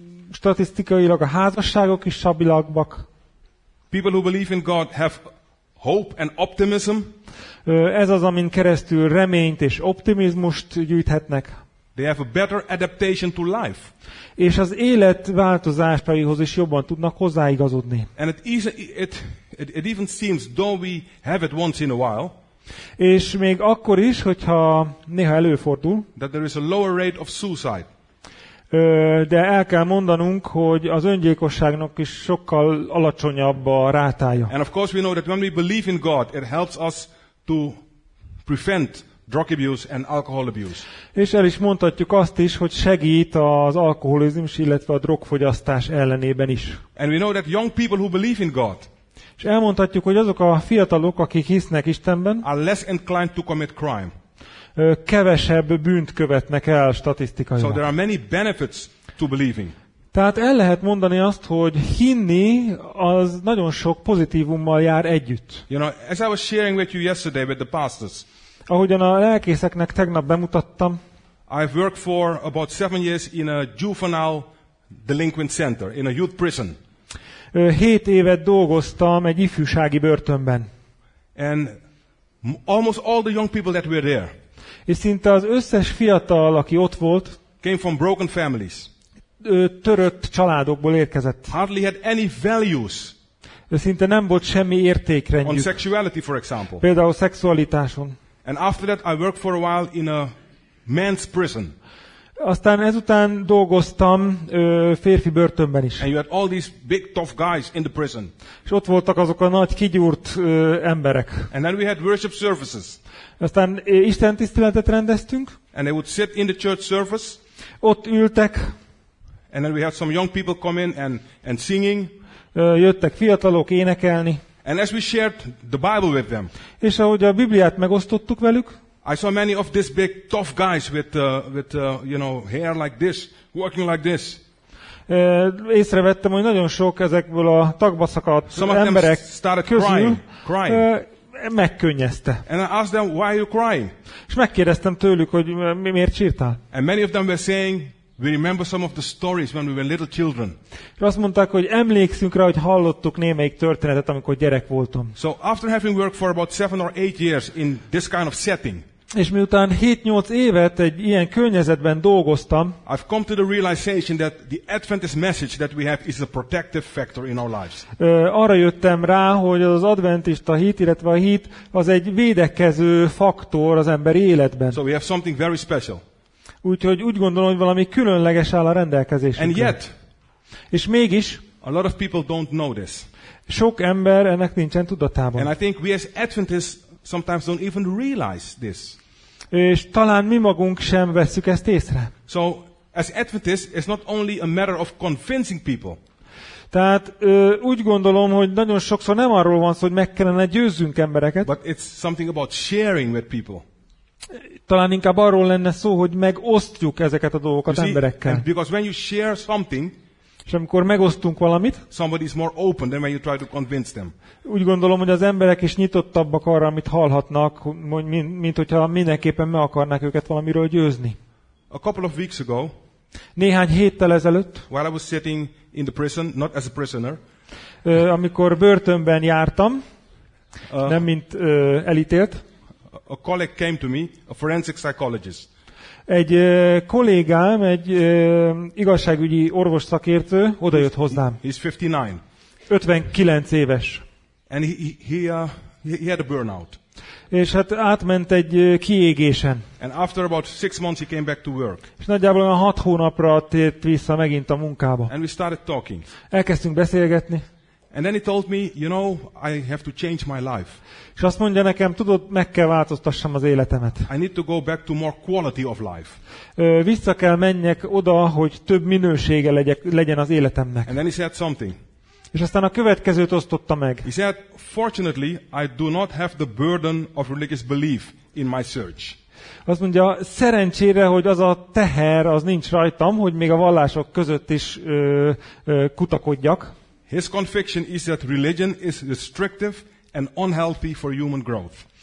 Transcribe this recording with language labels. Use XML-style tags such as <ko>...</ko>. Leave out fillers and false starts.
<hu>Statisztikailag a házasságok is stabilabbak.</hu> <en>People who believe in God have hope and optimism.</en> <hu>Ez az, amin keresztül reményt és optimizmust gyűjthetnek.</hu> <en>They have a better adaptation to life.</en> <hu>És az élet változásaihoz is jobban tudnak hozzáigazodni.</hu> <en>And it even seems though we have it once in a while.</en> <hu>És még akkor is, hogyha néha előfordul,</hu> <en>that there is a lower rate of suicide.</en> <hu>De el kell mondanunk, hogy az öngyilkosságnak is sokkal alacsonyabb a rátája.</hu> <en>And of course we know that when we believe in God, it helps us to prevent drug abuse and alcohol abuse.</en> <hu>És el is mondhatjuk azt is, hogy segít az alkoholizmus, illetve a drogfogyasztás ellenében is.</hu> <en>And we know that young people who believe in God,</en> <hu>és elmondhatjuk, hogy azok a fiatalok, akik hisznek Istenben,</hu> <en>are less inclined to commit crime.</en> <hu>Kevesebb bűnt követnek el statisztikailag.</hu> <en>So there are many benefits to believing.</en> <hu>Tehát el lehet mondani azt, hogy hinni az nagyon sok pozitívummal jár együtt.</hu> <en>You know, as I was sharing with you yesterday with the pastors,</en> <hu>ahogyan a lelkészeknek tegnap bemutattam,</hu> <en>I've worked for about 7 years in a juvenile delinquent center, in a youth prison.</en> <hu>7 évet dolgoztam egy ifjúsági börtönben.</hu> <en>And almost all the young people that were there,</en> <hu>és szinte az összes fiatal, aki ott volt,</hu> <en>came from broken families.</en> <hu>Törött családokból érkezett.</hu> <en>Hardly had any values.</en> <hu>Szinte nem volt semmi értékrendjük.</hu> <en>On sexuality, for example.</en> <hu>Például szexualitáson.</hu> <en>And after that I worked for a while in a men's prison.</en> <hu>Aztán ezután dolgoztam férfi börtönben is.</hu> <en>And you had all these big tough guys in the prison.</en> <hu>És ott voltak azok a nagy kigyúrt emberek.</hu> <en>And then we had worship services.</en> <hu>Aztán Isten tiszteletet rendeztünk.</hu> <en>And they would sit in the church service.</en> <hu>Ott ültek.</hu> <en>And then we had some young people come in and singing.</en> <hu>Jöttek fiatalok énekelni.</hu> <en>And as we shared the Bible with them.</en> <hu>És ahogy a Bibliát megosztottuk velük.</hu> <en>I saw many of these big tough guys with you know, hair like this, walking like this.</en> <hu>Észrevettem, hogy nagyon sok ezekből a tagbaszakadt emberek</hu> <en>crying.</en> <hu>Megkönnyezte.</hu> <en>And I asked them, why are you crying?</en> <hu>És megkérdeztem tőlük, hogy miért sírtál.</hu> <en>And many of them were saying, we remember some of the stories when we were little children.</en> <hu>És azt mondták, hogy emlékszünk rá, hogy hallottuk némelyik történetet, amikor gyerek voltam.</hu> <en>So after having worked for about 7 or 8 years in this kind of setting,</en> <hu>És miután 7-8 évet egy ilyen környezetben dolgoztam,</hu> <en>I've come to the realization that the Adventist message that we have is a protective factor in our lives.</en> <hu>Arra jöttem rá, hogy az adventista hit, illetve a hit, az egy védekező faktor az emberi életben.</hu> <en>So we have something very special.</en> <hu>Úgyhogy úgy gondolom, hogy valami különleges áll a rendelkezésünkre.</hu> <en>And yet,</en> <hu>és mégis,</hu> <en>a lot of people don't know this.</en> <hu>Sok ember ennek nincsen tudatában.</hu> <en>And I think we as Adventists sometimes don't even realize this.</en> <hu>És talán mi magunk sem vesszük ezt észre.</hu> <en>So, as Adventists, it's not only a matter of convincing people.</en> <hu>Tehát úgy gondolom, hogy nagyon sokszor nem arról van szó, hogy meg kellene győzzünk embereket.</hu> <en>But it's something about sharing with people.</en> <hu>Talán inkább arról lenne szó, hogy megosztjuk ezeket a dolgokat</hu> <en>you</en> <hu>emberekkel.</hu> <en>See, because when you share something,</en> <hu>és amikor megosztunk valamit,</hu> <en>somebody is more open than when you try to convince them.</en> <hu>Úgy gondolom, hogy az emberek is nyitottabbak arra, amit hallhatnak, mint hogyha mindenképpen meg akarnák őket valamiről győzni.</hu> <en>A couple of weeks ago,</en> <hu>néhány héttel ezelőtt,</hu> <en>while I was sitting in the prison, not as a prisoner,</en> <hu>amikor börtönben jártam, nem mint elítélt,</hu> <en>a colleague came to me, a forensic psychologist.</en> <hu>Egy kollégám, egy igazságügyi orvos szakértő odajött hozzám.</hu> <en>He's 59.</en> <hu>59 éves.</hu> <en>And he had a burnout.</en> <hu>És hát átment egy kiégésen.</hu> <en>And after about 6 months he came back to work.</en> <hu>És nagyjából 6 hónapra tért vissza megint a munkába.</hu> <en>And we started talking.</en> <hu>Elkezdtünk beszélgetni.</hu> <en>And then he told me, you know, I have to change my life.</en> <hu>És azt mondja nekem, tudod, meg kell változtassam az életemet.</hu> <en>I need to go back to more quality of life.</en> <hu>Vissza kell menjek oda, hogy több minősége legyen az életemnek.</hu> <en>And then he said something.</en> <hu>És aztán a következőt osztotta meg.</hu> <en>He said, fortunately, I do not have the burden of religious belief in my search.</en> <hu>Azt mondja, szerencsére, hogy az a teher, az nincs rajtam, hogy még a vallások között is kutakodjak.</hu> <en>His conviction is that religion is restrictive and unhealthy for human growth.</en>